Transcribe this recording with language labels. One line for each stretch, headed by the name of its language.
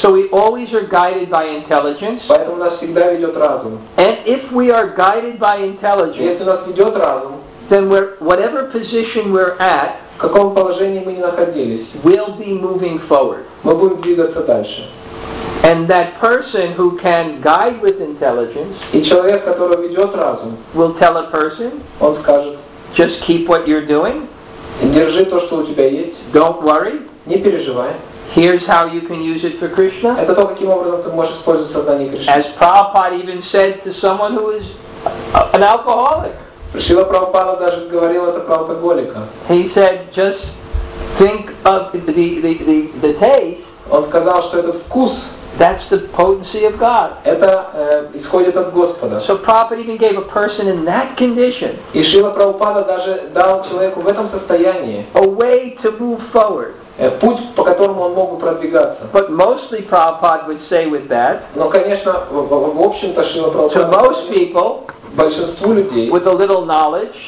English: So we always are guided by intelligence.
Russian: Поэтому нас всегда ведет разум.
English: And if we are guided by intelligence.
Russian: Если нас ведет разум.
English: Then we're, whatever position we're at.
Russian: В каком положении мы ни находились.
English: We'll be moving forward.
Russian: Мы будем двигаться дальше.
English: And that person who can guide with intelligence.
Russian: И человек, который ведет разум.
English: Will tell a person.
Russian: Он скажет.
English: Just keep what you're doing.
Russian: Держи то, что у тебя есть.
English: Don't worry.
Russian: Не переживай.
English: Here's how you can use it for Krishna.
Russian: Это то, каким образом ты можешь использовать сознание Кришны.
English: As Prabhupada even said to someone who is an alcoholic.
Russian: Шрила Прабхупада даже говорил это про алкоголика.
English: He said, just think of the taste.
Russian: Он сказал, что этот вкус.
English: That's the potency of God.
Russian: Это исходит от Господа.
English: So Prabhupada even gave a person in that condition.
Russian: И Шрила Прабхупада даже дал человеку в этом состоянии.
English: A way to move forward.
Russian: Путь, по которому он мог бы продвигаться.
English: But mostly Prabhupada would say with that.
Russian: Но, конечно, в общем-то Шрила Прабхупада.
English: To most people.
Russian: Большинству людей,
English: with a little knowledge,